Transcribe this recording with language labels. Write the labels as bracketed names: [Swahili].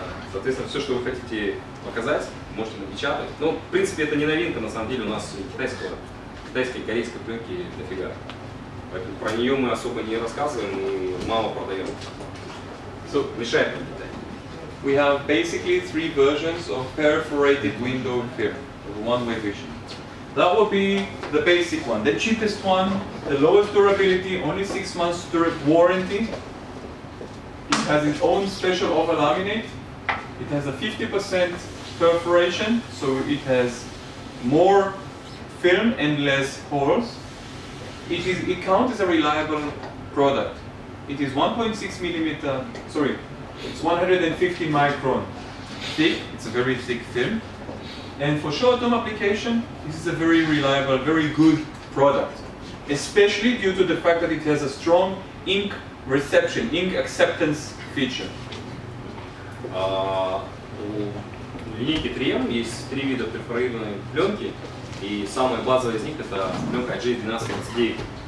[Russian] Соответственно, все, что вы хотите показать, можете напечатать. Ну, в принципе, это не новинка, на самом деле у нас китайской и корейской пленки дофига. Поэтому про нее мы особо не рассказываем и мало продаем. [English] So, [Russian] мешает. [English] We have basically three versions of perforated window film, one-way vision. That would be the basic one, the cheapest one, the lowest durability, only 6 months warranty. It has its own special over laminate. It has a 50% perforation, so it has more film and less holes. It counts as a reliable product. It is 150 micron thick. It's a very thick film. And for short term application, this is a very reliable, very good product. Especially due to the fact that it has a strong ink reception, ink acceptance feature. [Russian] В линейке 3M есть три вида перфорированной пленки, и самая базовая из них — это пленка IG12-29.